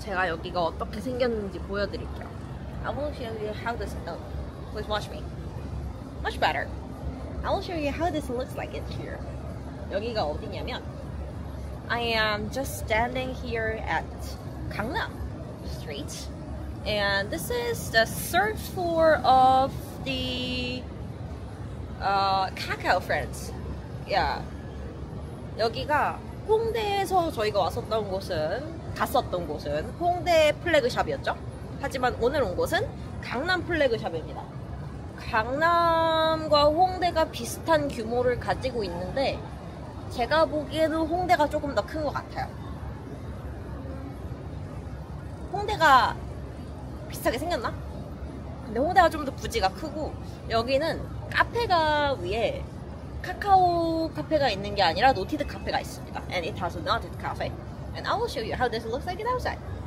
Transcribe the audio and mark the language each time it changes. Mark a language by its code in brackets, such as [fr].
[ko] 제가 여기가 어떻게 생겼는지 보여드릴게요. [en] I will show you how this. Oh, please watch me. Much better. I will show you how this looks like it here. [ko] 여기가 어디냐면. [en] I am just standing here at Gangnam Street, and this is the third floor of the Kakao Friends. Yeah, [ko] 여기가 홍대에서 저희가 왔었던 곳은 갔었던 곳은 홍대 플래그샵이었죠. 하지만 오늘 온 곳은 강남 플래그샵입니다. 강남과 홍대가 비슷한 규모를 가지고 있는데. 제가 보기에는 홍대가 조금 더 큰 것 같아요. 홍대가 비슷하게 생겼나? 근데 홍대가 좀 더 부지가 크고 여기는 카페가 위에 카카오 카페가 있는 게 아니라 노티드 카페가 있습니다. [en] And it has a noted cafe. And I will show you how this looks like outside.